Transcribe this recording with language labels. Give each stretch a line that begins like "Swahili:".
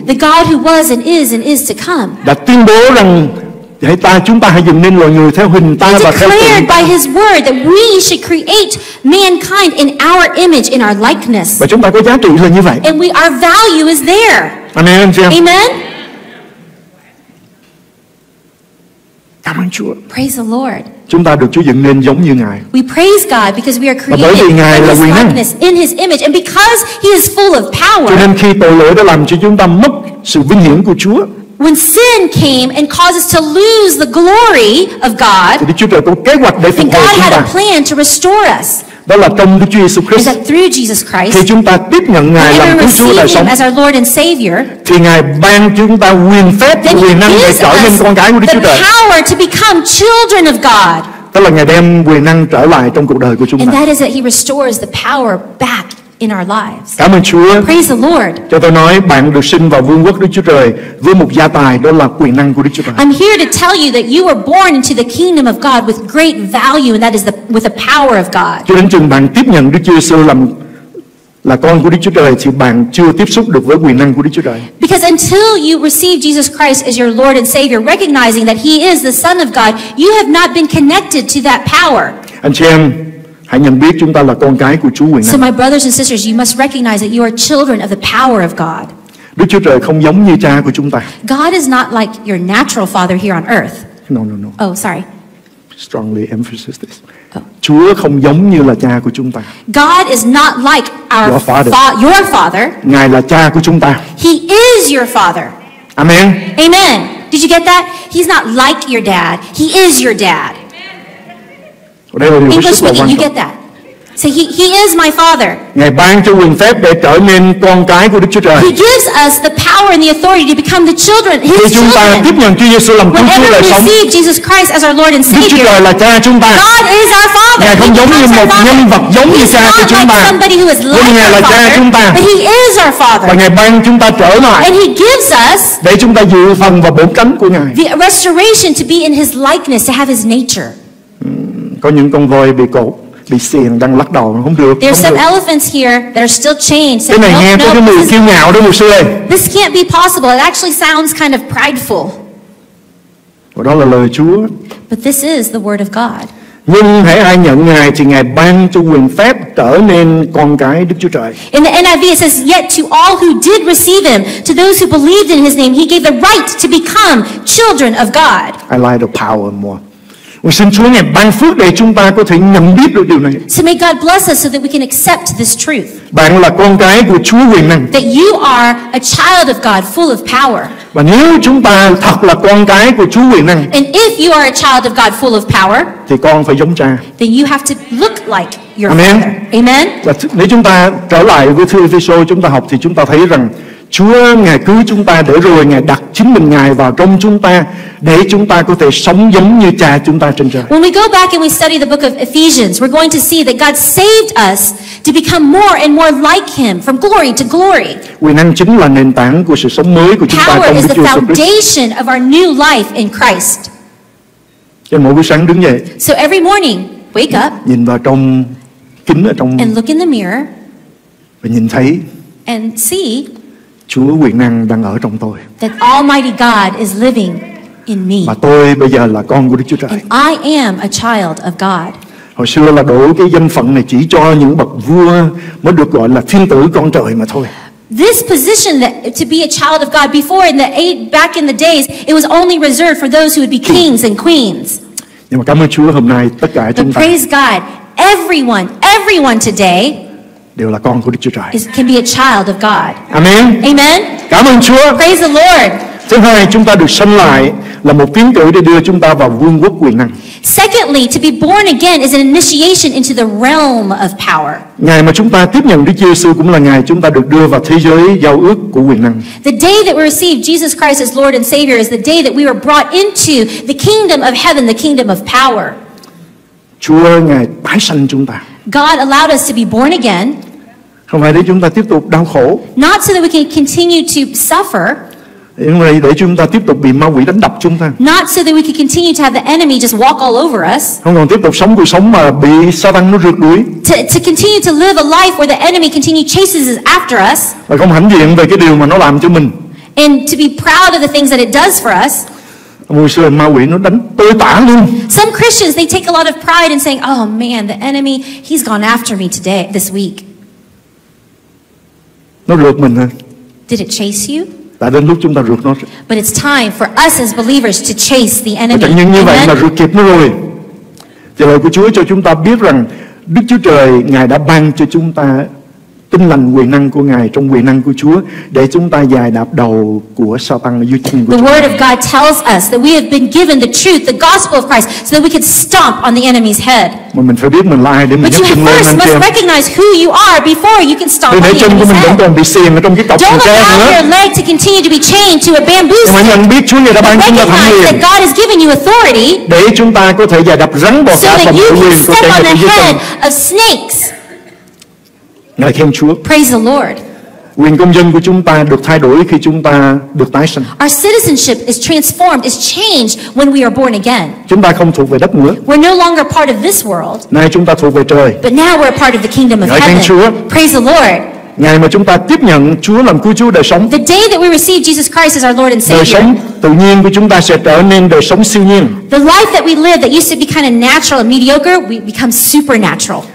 English: the God who was and is to come,
Vietnamese: đã tuyên bố rằng hãy ta chúng ta hãy dựng nên loài người theo hình ta và theo tượng
English: by His word that we should create mankind in our image, in our likeness.
Vietnamese: Và chúng ta có giá trị là như vậy.
English: And our value is there.
Vietnamese: Amen, anh chị em.
English: Amen.
Vietnamese: Cảm ơn Chúa.
English: Praise the Lord.
Vietnamese: Chúng ta được Chúa dựng nên giống như Ngài.
English: We praise God because we are created in His likeness, in His image, and because He is full of power.
Vietnamese: Cho nên khi tội lỗi đã làm cho chúng ta mất sự vinh hiển của Chúa,
English: when sin came and caused us to lose the glory of God,
Vietnamese: thì Đức Chúa Trời có kế hoạch để phục hồi chúng ta.
English: A plan to restore us.
Vietnamese: Đó là trong Đức Chúa Giêsu Christ.
English: That through Jesus Christ,
Vietnamese: khi chúng ta tiếp nhận Ngài làm Cứu Chúa đời sống,
English: as our Lord and Savior,
Vietnamese: thì Ngài ban chúng ta quyền phép, quyền năng để trở nên con cái của Đức Chúa Trời.
English: The power to become children of God.
Vietnamese: Tức là Ngài đem quyền năng trở lại trong cuộc đời của chúng ta.
English: And that is that He restores the power back in our lives.
Vietnamese: Cảm ơn Chúa.
English: Praise the Lord.
Vietnamese: Cho tôi nói, bạn được sinh vào vương quốc Đức Chúa Trời với một gia tài, đó là quyền năng của Đức Chúa Trời.
English: I'm here to tell you that you were born into the kingdom of God with great value, and that is with the power of God.
Vietnamese: Cho đến chừng bạn tiếp nhận Đức Chúa Giêsu là con của Đức Chúa Trời thì bạn chưa tiếp xúc được với quyền năng của Đức Chúa Trời.
English: Because until you receive Jesus Christ as your Lord and Savior, recognizing that He is the Son of God, you have not been connected to that power.
Vietnamese: Anh chị em, hãy nhận biết chúng ta là con cái của Chúa quyền năng.
English: So my brothers and sisters, you must recognize that you are children of the power of God.
Vietnamese: Đức Chúa Trời không giống như cha của chúng ta.
English: God is not like your natural father here on earth. No. Oh, sorry. Strongly emphasize this.
Vietnamese: Chúa không giống như là cha của chúng ta.
English: God is not like our your father.
Vietnamese: Ngài là cha của chúng ta.
English: He is your father. Amen. Amen. Did you get that? He's not like your dad. He is your dad. English speaking, you get that. So he is my father.
Vietnamese: Ngài ban cho quyền phép để trở nên con cái của Đức Chúa Trời.
English: He gives us the power and the authority to become the children, His children.
Vietnamese: Khi chúng ta tiếp nhận Chúa Giêsu làm Cứu Chúa đời sống,
English: receive Jesus Christ as our Lord and Savior.
Vietnamese: Đức Chúa Trời là cha chúng ta.
English: God is our father.
Vietnamese: Ngài không giống như một nhân vật giống như cha của chúng ta.
English: He's not like somebody who is like our father.
Vietnamese: Ngài là cha chúng ta.
English: But He is our father.
Vietnamese: Và Ngài ban chúng ta trở lại.
English: And He gives us
Vietnamese: để chúng ta dự phần vào bổn tánh của Ngài.
English: The restoration to be in His likeness, to have His nature.
Vietnamese: Có những con voi bị cột, bị xiềng đang lắc đầu, không được.
English: There's
Vietnamese: không được.
English: Elephants here that are still chained.
Vietnamese: Cái này nghe có cái mùi kiêu ngạo đó, mục sư ơi.
English: This can't be possible. It actually sounds kind of prideful.
Vietnamese: Và đó là lời Chúa.
English: But this is the word of God.
Vietnamese: Nhưng hãy ai nhận Ngài thì Ngài ban cho quyền phép trở nên con cái Đức Chúa Trời.
English: In the NIV it says, yet to all who did receive Him, to those who believed in His name, He gave the right to become children of God. I like the power more.
Vietnamese: Mình xin Chúa ngài ban phước để chúng ta có thể nhận biết được điều này.
English: So may God bless us so that we can accept this truth.
Vietnamese: Bạn là con cái của Chúa quyền năng.
English: That you are a child of God, full of power.
Vietnamese: Và nếu chúng ta thật là con cái của Chúa quyền năng,
English: and if you are a child of God, full of power,
Vietnamese: thì con phải giống cha.
English: Then you have to look like your Amen. Father. Amen.
Vietnamese: Và nếu chúng ta trở lại với thư Ê-phê-sô chúng ta học thì chúng ta thấy rằng Chúa ngài cứu chúng ta để rồi ngài đặt chính mình ngài vào trong chúng ta để chúng ta có thể sống giống như cha chúng ta trên trời.
English: When we go back and we study the book of Ephesians, we're going to see that God saved us to become more and more like Him, from glory to glory.
Vietnamese: Quyền năng chính là nền tảng của sự sống mới của chúng ta trong Đức Chúa Jesus.
English: Power is the foundation of our new life in Christ.
Vietnamese: Cho mỗi buổi sáng đứng dậy.
English: So every morning, wake up.
Vietnamese: Nhìn vào trong kính ở trong.
English: And look in the mirror.
Vietnamese: Và nhìn thấy.
English: And see.
Vietnamese: Chúa quyền năng đang ở trong tôi.
English: That Almighty God is living in me.
Vietnamese: Và tôi bây giờ là con của Đức Chúa Trời.
English: And I am a child of God.
Vietnamese: Hồi xưa là đổ cái danh phận này chỉ cho những bậc vua mới được gọi là thiên tử con trời mà thôi.
English: This position that, to be a child of God before in the eight back in the days, it was only reserved for those who would be kings and queens.
Vietnamese: Nhưng mà cảm ơn Chúa hôm nay tất cả chúng ta.
English: But praise God, everyone today.
Vietnamese: Đều là con của Đức Chúa Trời.
English: It can be a child of God.
Vietnamese: Amen.
English: Amen.
Vietnamese: Cảm ơn Chúa.
English: Praise the Lord.
Vietnamese: Thứ hai, chúng ta được sinh lại là một tiến cử để đưa chúng ta vào vương quốc quyền năng.
English: Secondly, to be born again is an initiation into the realm of power.
Vietnamese: Ngày mà chúng ta tiếp nhận Đức Giêsu cũng là ngày chúng ta được đưa vào thế giới giao ước của quyền năng.
English: The day that we receive Jesus Christ as Lord and Savior is the day that we were brought into the kingdom of heaven, the kingdom of power.
Vietnamese: Chúa ngài tái sanh chúng ta.
English: God allowed us to be born again.
Vietnamese: Không phải để chúng ta tiếp tục đau khổ.
English: Not so that we can continue to suffer.
Vietnamese: để chúng ta tiếp tục bị ma quỷ đánh đập chúng ta.
English: Not so that we could continue to have the enemy just walk all over us.
Vietnamese: Không còn tiếp tục sống cuộc sống mà bị Satan nó rượt đuổi.
English: To continue to live a life where the enemy continue chases us after us.
Vietnamese: Và không hãnh diện về cái điều mà nó làm cho mình.
English: And to be proud of the things that it does for us.
Vietnamese: Một số ma quỷ nó đánh tơi tả luôn.
English: Some Christians they take a lot of pride in saying, "Oh man, the enemy he's gone after me today this week."
Vietnamese: Nó rượt mình hả?
English: Did it chase you?
Vietnamese: Đã đến lúc chúng ta rượt nó.
English: But it's time for us as believers to chase the enemy.
Vietnamese: Chẳng những như vậy mà rượt kịp nó rồi. Thì lời của Chúa cho chúng ta biết rằng Đức Chúa Trời Ngài đã ban cho chúng ta Tinh Lành quyền năng của Ngài trong quyền năng của Chúa để chúng ta giày đạp đầu của Satan dưới chân của Chúa.
English: The word of God tells us that we have been given the truth, the gospel of Christ, so that we can stomp on the enemy's head.
Vietnamese: Mà mình phải biết mình là ai để mình nhấc chân lên anh chị.
English: But you first must recognize who you are before you can stomp on the enemy's head.
Vietnamese: Để chân của mình vẫn còn bị xiềng ở trong cái cọc của cái nữa.
English: Don't allow your leg to continue to be chained to a bamboo stick.
Vietnamese: Mà nhận biết Chúa Ngài đã ban chúng ta thánh quyền.
English: That God has given you authority.
Vietnamese: Để chúng ta có thể giày đạp rắn bò cả vòng quyền của cái nhà dưới chân.
English: So that you can step on the head of snakes.
Vietnamese: Ngài khen Chúa.
English: Praise the Lord.
Vietnamese: Quyền công dân của chúng ta được thay đổi khi chúng ta được tái sinh.
English: Our citizenship is transformed, is changed when we are born again.
Vietnamese: Chúng ta không thuộc về đất nữa.
English: We're no longer part of this world.
Vietnamese: Nay chúng ta thuộc về trời.
English: But now we're part of the kingdom of heaven.
Vietnamese: Ngài khen Chúa.
English: Praise the Lord.
Vietnamese: Ngày mà chúng ta tiếp nhận Chúa làm cứu Chúa đời sống.
English: The day that we receive Jesus Christ as our Lord and Savior.
Vietnamese: Đời sống tự nhiên của chúng ta sẽ trở nên đời sống siêu nhiên.
English: The life that we live that used to be kind of natural and mediocre, we become supernatural.